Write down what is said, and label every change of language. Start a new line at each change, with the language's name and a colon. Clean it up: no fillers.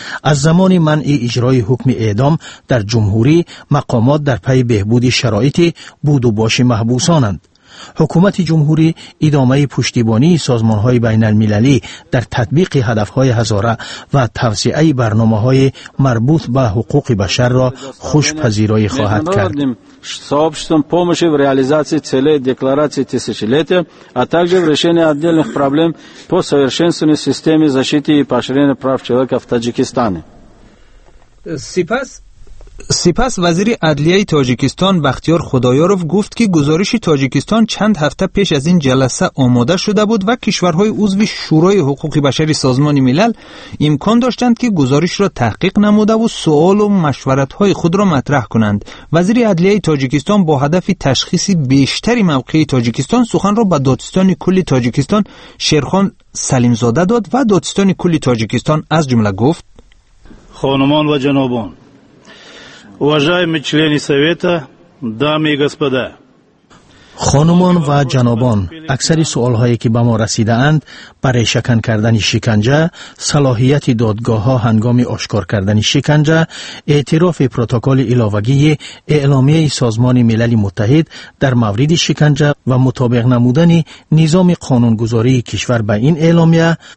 Persian: از زمان منع اجرای حکم اعدام در جمهوری، مقامات در پی بهبود شرایط بود و باش محبوسانند. حکومت جمهوری ادامه پشتیبانی سازمان های بین المللی در تطبیق هدف های هزاره و توسعه برنامه های مربوط به حقوق بشر را خوش پذیرایی خواهد کرد.
Russian: сообществом помощи в реализации целей декларации тысячелетия, а также в решении отдельных проблем по совершенствованию системы защиты и поощрения прав человека в Таджикистане.
Persian: سپس وزیر عدلیه تاجیکستان بختیار خدایاروف گفت که گزارش تاجیکستان چند هفته پیش از این جلسه آماده شده بود و کشورهای عضو شورای حقوق بشر سازمان ملل امکان داشتند که گزارش را تحقیق نموده و سوال و مشورت های خود را مطرح کنند. وزیر عدلیه تاجیکستان با هدف تشخیص بیشتر موقع تاجیکستان سخن را به دادستان کل تاجیکستان شیرخان سلیمزاده داد و دادستان کل تاجیکستان از جمله گفت: خانمان و جنابان،
Russian: уважаемые члены совета, дамы и господа.
Persian: خانمان و جنابان، اکثر سوال هایی که به ما رسیده اند برای شکن کردن شکنجه، صلاحیت دادگاه ها هنگام آشکار کردن شکنجه، اعتراف پروتکل الاوگی اعلامیه سازمان ملل متحد در مورد شکنجه و مطابق نمودن نظام قانونگذاری کشور به این اعلامیه،